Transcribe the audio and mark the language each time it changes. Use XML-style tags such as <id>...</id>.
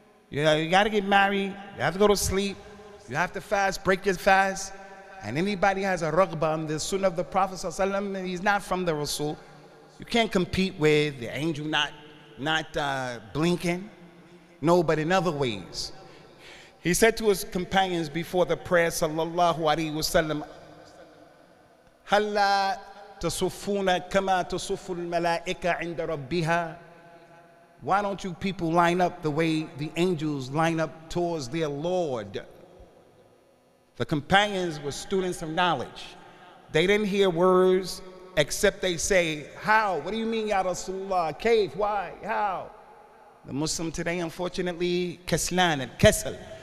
<en>You know, you gotta get married, you have to go to sleep, you have to fast, break your fast, and anybody has a ragba on the sunnah of the Prophet Sallallahu Alaihi Wasallam, he's not from the Rasul. You can't compete with the angel not blinking. No, but in other ways. He said to his companions before the prayer, Sallallahu Alaihi Wasallam, Halla</en> <ar>تصفون كما تصف الملائكة عند ربها.</ar> <en>Why don't you people line up the way the angels line up towards their Lord? The companions were students of knowledge. They didn't hear words except they say, how? What do you mean, Ya Rasulullah? Kayf? Why? How? The Muslim today, unfortunately, kaslan and kasal.</en>